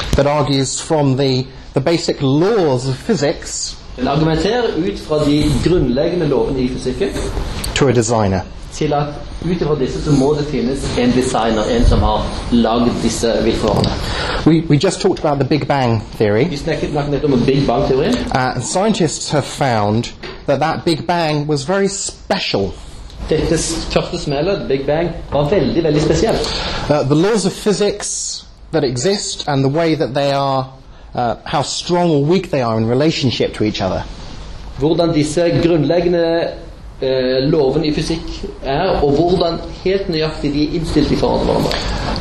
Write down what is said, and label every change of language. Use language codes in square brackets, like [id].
[en] That argues from the basic laws of physics. [no] Den argumenterer ut fra de grunnleggende lovene I fysikken. [en] To a designer. [no] Til at utenfor disse så må det finnes en designer, en som har laget disse vilkårene. [en] We just talked about the Big Bang theory. [no] Vi snakket nettopp om Big Bang teorien. [en] Scientists have found that Big Bang was very special. [no] Dette første smellet, Big Bang, var veldig, veldig spesielt. [en] The laws of physics that exist and the way that they are, how strong or weak they are in relationship to each other. [no] Hvordan disse grunnleggende loven I fysikk og hvordan helt nøyaktig de innstilt I forhold til hverandre.